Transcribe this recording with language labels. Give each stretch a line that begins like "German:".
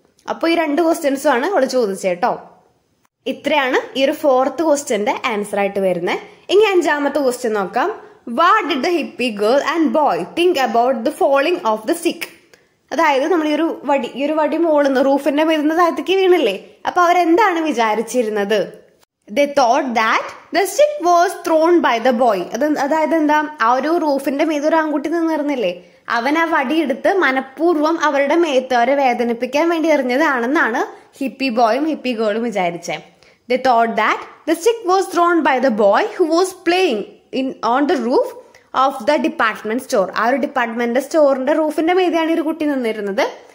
Malayalam: അപ്പൊ ഈ രണ്ട് ക്വസ്റ്റ്യൻസും ആണ് അവൾ ചോദിച്ചത് കേട്ടോ. ഇത്രയാണ് ഈ ഒരു ഫോർത്ത് ക്വസ്റ്റ്യന്റെ ആൻസർ ആയിട്ട് വരുന്നത്. ഇനി അഞ്ചാമത്തെ ക്വസ്റ്റ്യൻ നോക്കാം.
English: What did the hippie girl and boy think about the falling of the stick.
Malayalam: അതായത് നമ്മൾ ഈ ഒരു വടി മോളുന്നു, റൂഫിന്റെ വരുന്ന താഴത്തേക്ക് വീണല്ലേ, അപ്പൊ അവരെന്താണ് വിചാരിച്ചിരുന്നത്?
English: They thought that the stick was thrown by the boy.
Malayalam: അതായത് എന്താ, ആ ഒരു റൂഫിന്റെ മീതി ഒരു ആൺകുട്ടി നിന്നിരുന്നില്ലേ, അവൻ ആ വടി എടുത്ത് മനഃപൂർവ്വം അവരുടെ മേത്തവരെ വേദനിപ്പിക്കാൻ വേണ്ടി എറിഞ്ഞതാണെന്നാണ് ഹിപ്പി ബോയും ഹിപ്പി ഗേളും വിചാരിച്ചേ.
English: They thought that the stick was thrown by the boy who was playing on the roof of the department store.
Malayalam: ആ ഒരു ഡിപ്പാർട്ട്മെന്റ് സ്റ്റോറിന്റെ റൂഫിന്റെ മീതിയാണ് ഈ ഒരു കുട്ടി നിന്നിരുന്നത്.